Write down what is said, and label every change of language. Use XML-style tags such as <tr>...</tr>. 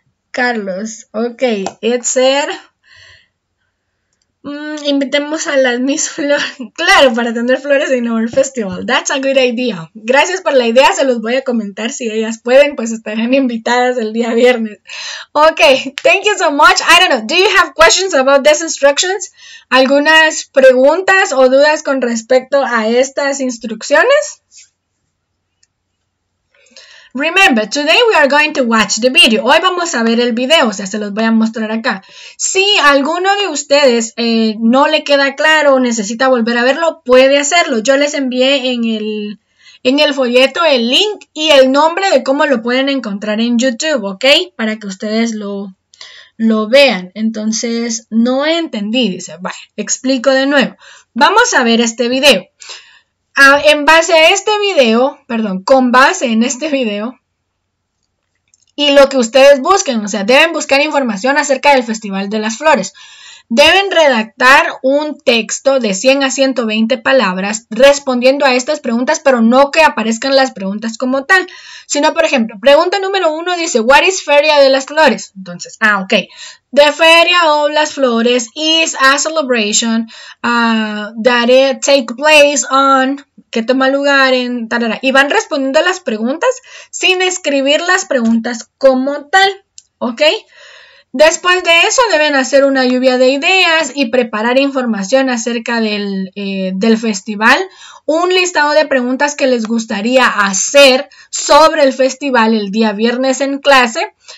<es>Carlos, ok, Edser. Invitemos a las Miss Flor. Claro, para tener flores en el festival.</es> <en>That's a good idea.</en> <es>Gracias por la idea, se los voy a comentar. Si ellas pueden, pues estarán invitadas el día viernes.</es> <en>Ok, thank you so much. I don't know, do you have questions about these instructions?</en> <es>¿Algunas preguntas o dudas con respecto a estas instrucciones?</es> <en>Remember, today we are going to watch the video.</en> <es>Hoy vamos a ver el video, o sea, se los voy a mostrar acá. Si alguno de ustedes no le queda claro o necesita volver a verlo, puede hacerlo. Yo les envié en el folleto el link y el nombre de cómo lo pueden encontrar en YouTube, ¿ok? Para que ustedes lo vean. Entonces, no entendí, dice. Vale, explico de nuevo. Vamos a ver este video. En base a este video, perdón, con base en este video y lo que ustedes busquen, o sea, deben buscar información acerca del Festival de las Flores. Deben redactar un texto de 100 a 120 palabras respondiendo a estas preguntas, pero no que aparezcan las preguntas como tal. Sino, por ejemplo, pregunta número 1 dice,</es> <en>¿What is Feria de las Flores?</en> <es>Entonces, ok.</es> <en>The Feria of las Flores is a celebration that it take place on...</en> <es>¿Qué toma lugar en...? Tarara. Y van respondiendo las preguntas sin escribir las preguntas como tal, ¿ok? Después de eso deben hacer una lluvia de ideas y preparar información acerca del festival. Un listado de preguntas que les gustaría hacer sobre el festival el día viernes en clase.</es>